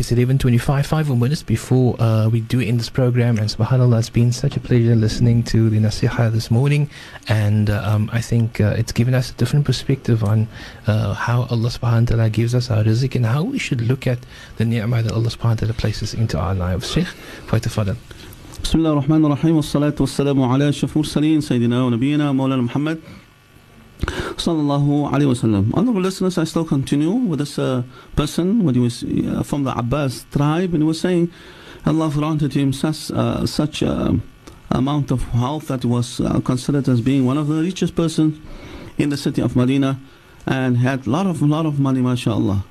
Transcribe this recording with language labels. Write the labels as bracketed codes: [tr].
[en] It's 11:25, 5 minutes before we do end this program. And subhanAllah, it's been such a pleasure listening to the Naseeha this morning. And I think it's given us a different perspective on how Allah subhanahu wa ta'ala gives us our rizq and how we should look at the ni'mah that Allah subhanahu wa ta'ala places into our lives. Sheikh, quite a fadal. [ar] بسم الله الرحمن الرحيم والصلاة والسلام على أشرف المرسلين سيدنا ونبينا مولانا محمد صلى الله عليه وسلم. [en] Honorable listeners, I still continue with this person when he was from the Abbas tribe, and he was saying Allah granted him such amount of wealth that was considered as being one of the richest persons in the city of Medina, and had lot of money, mashallah.